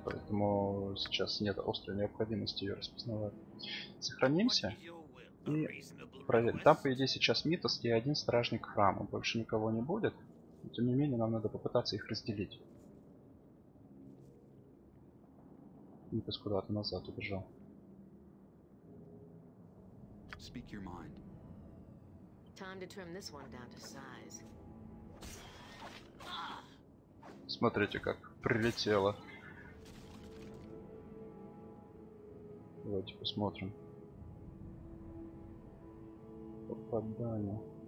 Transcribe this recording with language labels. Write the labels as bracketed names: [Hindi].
[Russian] Поэтому сейчас нет острой необходимости ее распознавать. Сохранимся. И проверим. Там, по идее, сейчас Митас и один стражник храма. Больше никого не будет. Но, тем не менее, нам надо попытаться их разделить. Митас куда-то назад убежал. [English] Speak your mind. Time to trim this one down to size. [Russian] Смотрите, как прилетело. Давайте посмотрим. Попадание.